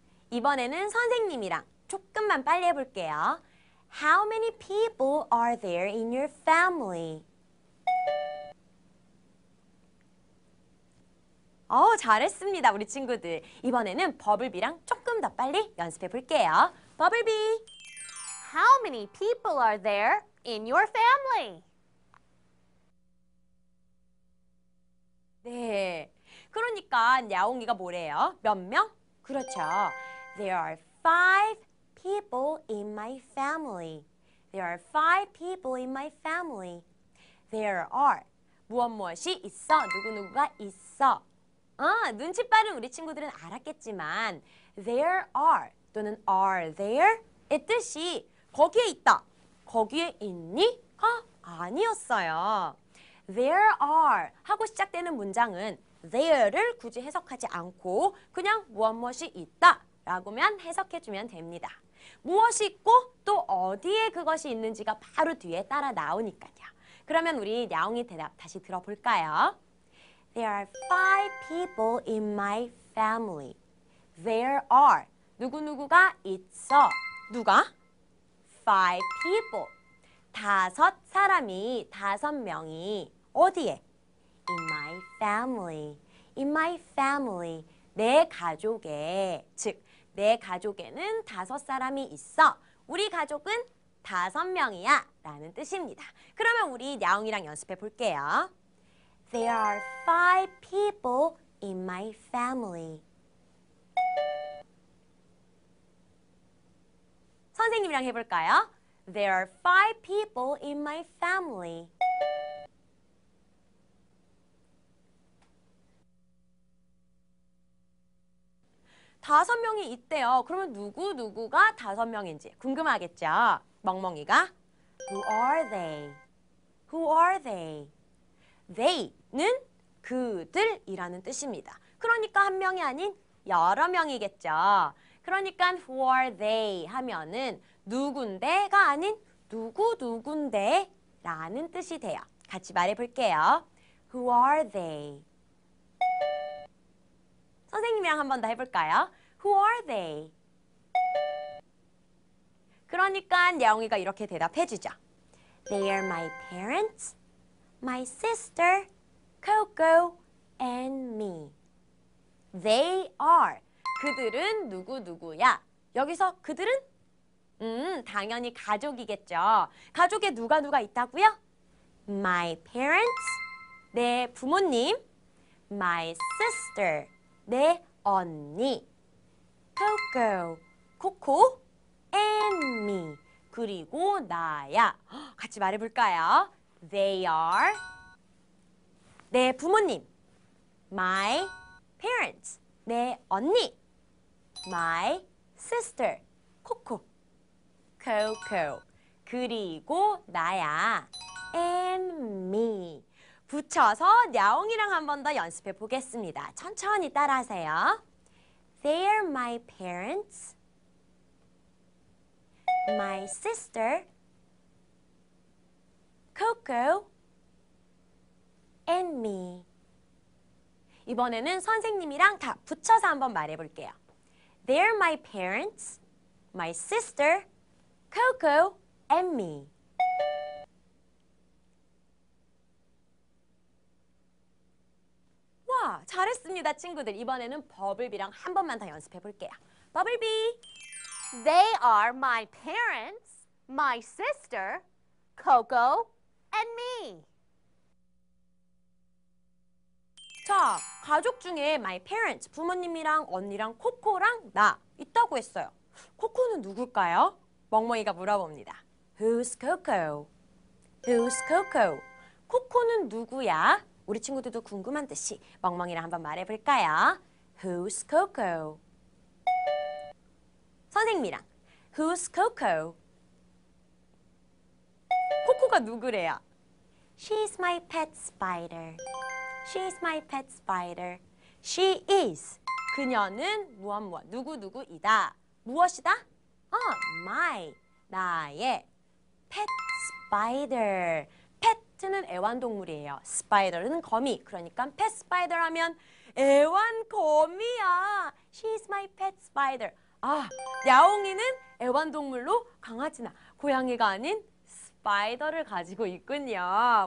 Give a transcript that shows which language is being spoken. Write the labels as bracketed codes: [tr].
[ko] 이번에는 선생님이랑 조금만 빨리 해볼게요. [en] How many people are there in your family? [ko] 오, 잘했습니다, 우리 친구들. 이번에는 버블비랑 조금 더 빨리 연습해 볼게요. 버블비! [en] How many people are there in your family? [ko] 네, 그러니까 야옹이가 뭐래요? 몇 명? 그렇죠. [en] There are five people in my family. There are five people in my family. There are [ko] 무엇 무엇이 있어, 누구누구가 있어. 아, 눈치 빠른 우리 친구들은 알았겠지만 [en] there are [ko] 또는 [en] are there [ko] 의 뜻이 거기에 있다, 거기에 있니가 아니었어요. [en] There are [ko] 하고 시작되는 문장은 there를 굳이 해석하지 않고 그냥 무엇 무엇이 있다 라고만 해석해주면 됩니다. 무엇이 있고 또 어디에 그것이 있는지가 바로 뒤에 따라 나오니까요. 그러면 우리 야옹이 대답 다시 들어볼까요? [en] There are five people in my family. There are [ko] 누구누구가 있어. 누가? [en] Five people. [ko] 다섯 사람이, 다섯 명이 어디에? [en] In my family. In my family. [ko] 내 가족에, 즉 내 가족에는 다섯 사람이 있어. 우리 가족은 다섯 명이야 라는 뜻입니다. 그러면 우리 야옹이랑 연습해 볼게요. There are five people in my family. 선생님이랑 해볼까요? There are five people in my family. 다섯 명이 있대요. 그러면 누구누구가 다섯 명인지 궁금하겠죠? 멍멍이가 [en] Who are they? Who are they? [ko] They는 그들이라는 뜻입니다. 그러니까 한 명이 아닌 여러 명이겠죠. 그러니까 Who are they? 하면은 누군데가 아닌 누구누군데 라는 뜻이 돼요. 같이 말해볼게요. [en] Who are they? [ko] 선생님이랑 한 번 더 해볼까요? [en] Who are they? [ko] 그러니까 야옹이가 이렇게 대답해 주죠. [en] They are my parents, my sister, Coco, and me. They are. [ko] 그들은 누구누구야? 여기서 그들은? 당연히 가족이겠죠. 가족에 누가 누가 있다고요? [en] My parents, [ko] 내 부모님. [en] My sister, [ko] 내 언니. [en] Coco, [ko] 코코, [en] and me, [ko] 그리고 나야. 같이 말해볼까요? [en] They are [ko] 내 부모님, [en] my parents, [ko] 내 언니, [en] my sister, [ko] 코코, Coco. 그리고 나야. [en] And me. [ko] 붙여서 냐옹이랑 한 번 더 연습해 보겠습니다. 천천히 따라하세요. [en] They're my parents, my sister, Coco, and me. [ko] 이번에는 선생님이랑 다 붙여서 한번 말해 볼게요. [en] They're my parents, my sister, Coco, and me. [ko] 와, 잘했습니다, 친구들. 이번에는 버블비랑 한 번만 더 연습해 볼게요. 버블비. [en] They are my parents, my sister, Coco, and me. [ko] 자, 가족 중에 [en] my parents, [ko] 부모님이랑 언니랑 코코랑 나 있다고 했어요. 코코는 누굴까요? 멍멍이가 물어봅니다. [en] Who's Coco? Who's Coco? [ko] 코코는 누구야? 우리 친구들도 궁금한 듯이 멍멍이랑 한번 말해볼까요? [en] Who's Coco? [ko] 선생님이랑 [en] Who's Coco? [ko] 코코가 누구래요? [en] She's my pet spider. She's my pet spider. She is. [ko] 그녀는 무엇 무엇 누구 누구이다. 무엇이다? 아, my 나의 pet spider. Pet는 애완동물이에요. Spider는 거미. 그러니까 pet spider 하면 애완거미야. [en] She's my pet spider. [ko] 아, 야옹이는 애완동물로 강아지나 고양이가 아닌 스파이더를 가지고 있군요.